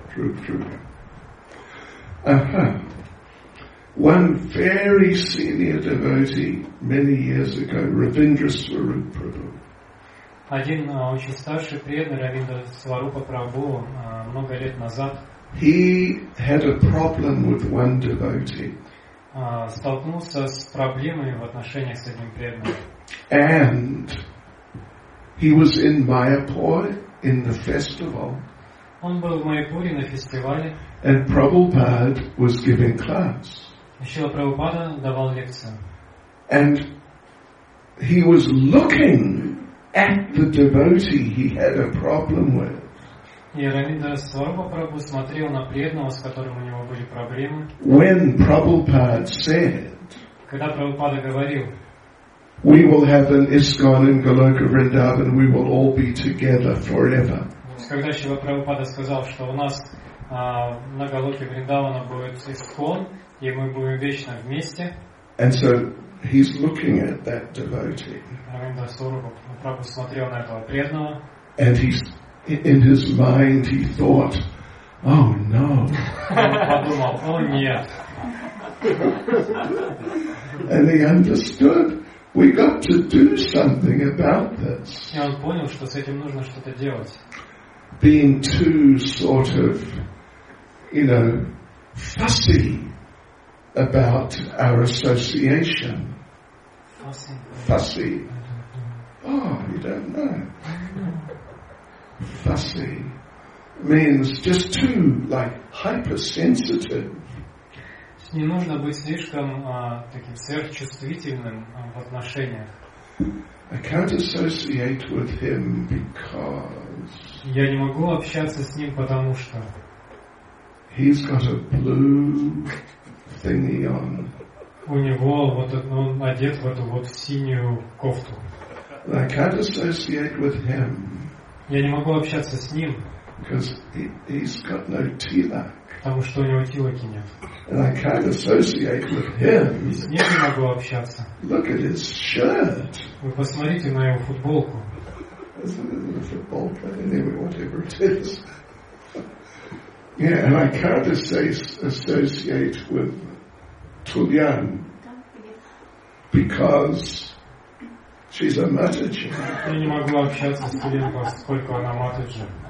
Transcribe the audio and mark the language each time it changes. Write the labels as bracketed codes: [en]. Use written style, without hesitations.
[ru] Друг друга. Ага. [en] One very senior devotee many years ago, Ravindra Swarup Prabhu. [ru] Один очень старший преданный, Равиндра Сварупа Прабху, много лет назад. [en] He had a problem with one devotee. [ru] Столкнулся с проблемой в отношениях с одним преданным. [en] And he was in Mayapur in the festival. [ru] Он был в Майпуре на фестивале. [en] And Prabhupada was giving class. [ru] Шрила Прабхупада давал лекцию. [en] And he was looking at the devotee he had a problem with. [ru] И Равиндра Сварупа Прабху смотрел на преданного, с которым у него были проблемы. [en] When Prabhupada said, [ru] когда Прабхупада говорил, [en] we will have an ISKCON in Goloka Vrindavan, we will all be together forever. [ru] Когда Шрила Прабхупада сказал, что у нас на Голоке Вриндавана будет ИСКОН, и мы будем вечно вместе. [en] And so he's looking at that devotee. [ru] Равиндра Сварупа смотрел на этого преданного. [en] And he's in his mind he thought, oh no. [ru] Подумал, о нет. [en] And he understood we got to do something about this. [ru] И он понял, что с этим нужно что-то делать. [en] Being too sort of, you know, fussy about our association. Fussy. Oh, you don't know. Fussy means just too, like, hypersensitive. [ru] Не нужно быть слишком таким сверхчувствительным в отношениях. [en] I can't associate with him because [ru] я не могу общаться с ним, потому что [en] he's got a blue thingy on. [ru] У него вот он одет в эту вот синюю кофту. [en] I can't associate with him. [ru] Я не могу общаться с ним. [en] Because he's got no tilak. [ru] потому что у него тилоки нет. [en] And I can't associate with him. [ru] И с ним не могу общаться. [en] Look at his shirt. [ru] Вы посмотрите на его футболку. [en] Yeah, and I can't associate with Tulian because she's a Mataji. [ru] Я не могу общаться с Тулян, поскольку она Матаджи.